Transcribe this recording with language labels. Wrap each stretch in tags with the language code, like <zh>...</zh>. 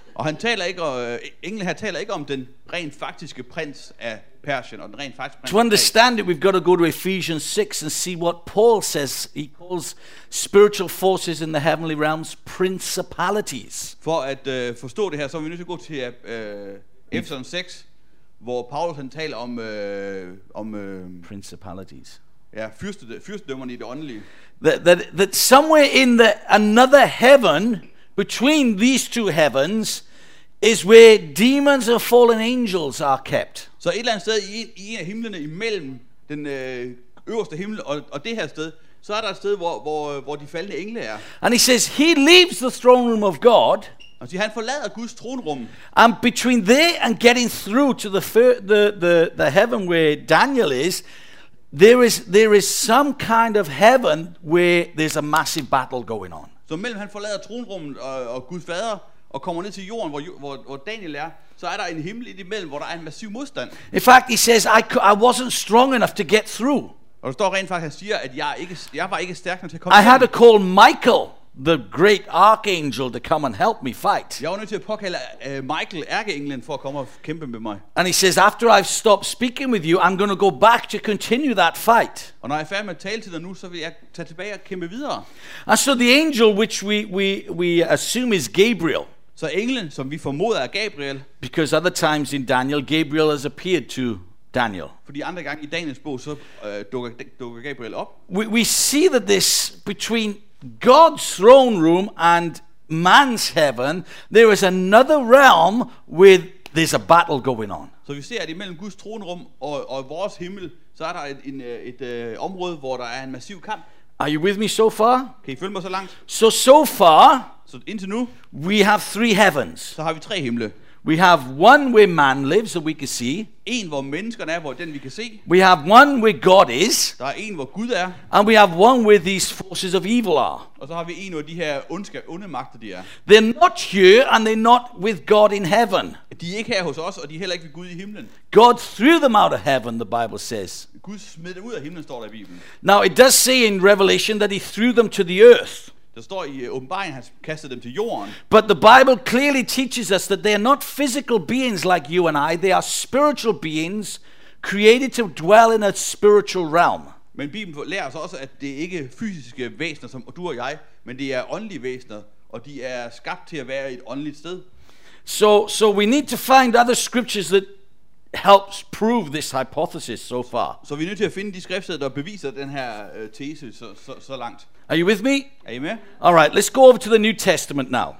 <da>Og han taler ikke, englen her taler ikke om den rent faktiske prins af Persien og den rent faktiske prins.</da> <en>To understand it, we've got to go to Ephesians 6 and see what Paul says. He calls spiritual forces in the heavenly realms principalities.</en> <da>For at forstå det her, så er vi nødt til at gå til Ephesians 6. Hvor Paulus han taler om</da> <en>principalities.</en> <da>Ja, fyrstedømmerne i det åndelige.</da> <en>That somewhere in the another heaven between these two heavens is where demons or fallen angels are kept.</en> <da>Så et eller andet sted i en af himlene imellem den øverste himmel og det her sted, så er der et sted hvor de faldne engle er.</da> <en>And he says he leaves the throne room of God.</en> <da>Og siger, han forlader Guds tronrum.</da> <en>And between there and getting through to the heaven where Daniel is, there is some kind of heaven where there's a massive battle going on.</en> <da>Så mellem han forlader tronrummet og Guds fader og kommer ned til jorden hvor Daniel er, så er der en himmel imellem hvor der er en massiv modstand.</da> <en>In fact, he says I wasn't strong enough to get through.</en> <da>Og der står rent faktisk, han siger, at jeg var ikke stærk nok til at komme.</da> <en>I had to call Michael, the great archangel, to come and help me fight.</en> <da>Jeg var nødt til at påkalde Michael, ærkeenglen, for at komme og kæmpe med mig.</da> <en>And he says, after I've stopped speaking with you, I'm going to go back to continue that fight.</en> <da>Og når jeg er færdig med at tale til dig nu, så vil jeg tage tilbage og kæmpe videre.</da> <en>And so the angel, which we assume is Gabriel.</en> <da>Så englen, som vi formoder er Gabriel.</da> <en>Because other times in Daniel, Gabriel has appeared to Daniel.</en> <da>Fordi andre gange i Daniels bog, så dukker Gabriel op.</da> <en>We see that this between God's throne room and man's heaven, there is another realm where there's a battle going on.</en> <da>Så vi ser, at imellem Guds tronrum og vores himmel, så er der et område, hvor der er en massiv kamp.</da> <en>Are you with me so far?</en> <da>Kan I følge mig så langt?</da> <en>So far.</en> <da>Så indtil nu.</da> <en>We have three heavens.</en> <da>Så har vi tre himle.</da> <en>We have one where man lives that we can see.</en> <da>En hvor menneskerne er, hvor den vi kan se.</da> <en>We have one where God is.</en> <da>Der er en hvor Gud er.</da> <en>And we have one where these forces of evil are.</en> <da>Og så har vi en hvor de her onde magter de er.</da> <en>They're not here and they're not with God in heaven.</en> <da>De er ikke her hos os og de er heller ikke ved Gud i himlen.</da> <en>God threw them out of heaven, the Bible says.</en> <da>Gud smed dem ud af himlen, står der i Bibelen.</da> <en>Now it does say in Revelation that he threw them to the earth.</en> <da>Der står i Åbenbaringen, han kastede dem til jorden.</da> <en>But the Bible clearly teaches us that they are not physical beings like you and I. They are spiritual beings created to dwell in a spiritual realm.</en> <da>Men Bibelen lærer os også, at det ikke er fysiske væsener som du og jeg, men det er åndelige væsener, og de er skabt til at være i et åndeligt sted.</da> <en>So we need to find other scriptures that helps prove this hypothesis so far.</en> <da>Så vi er nødt til at finde de skriftsteder, der beviser den her tese så langt.</da> <en>Are you with me?</en> <da>Er I med?</da> <en>All right, let's go over to the New Testament now.</en>